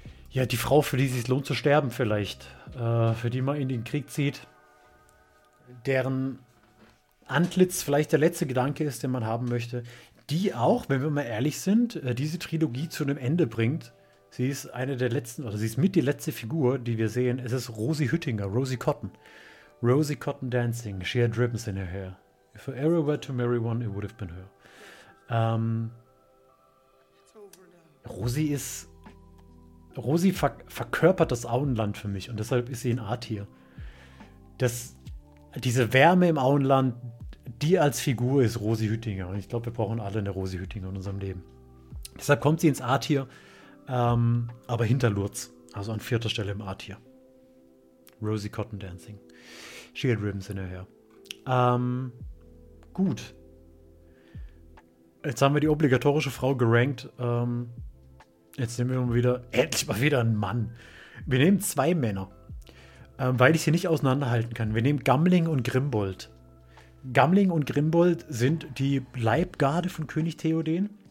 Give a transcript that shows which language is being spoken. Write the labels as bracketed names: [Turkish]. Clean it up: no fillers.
[German] Ja, die Frau, für die es sich lohnt zu sterben, vielleicht. Für die man in den Krieg zieht. Deren Antlitz vielleicht der letzte Gedanke ist, den man haben möchte. Die auch, wenn wir mal ehrlich sind, diese Trilogie zu einem Ende bringt. Sie ist eine der letzten, oder sie ist mit die letzte Figur, die wir sehen. Es ist Rosie Hüttinger, Rosie Cotton. [English] Rosie Cotton dancing, she had ribbons in her hair. If I ever were to marry one, it would have been her. [German] Rosie verkörpert das Auenland für mich und deshalb ist sie in A-Tier. Diese Wärme im Auenland, die als Figur ist Rosie Hüttinger. Und ich glaube, wir brauchen alle eine Rosie Hüttinger in unserem Leben. Deshalb kommt sie ins A-Tier. Aber hinter Lurz, also an 4. Stelle im A-Tier. [English] Rosie Cotton Dancing. Shield Ribbons in her hair. [German] Gut. Jetzt haben wir die obligatorische Frau gerankt. Jetzt nehmen wir mal wieder einen Mann. Wir nehmen 2 Männer. weil ich sie nicht auseinanderhalten kann. Wir nehmen Gamling und Grimbold. Gamling und Grimbold sind die Leibgarde von König Theoden.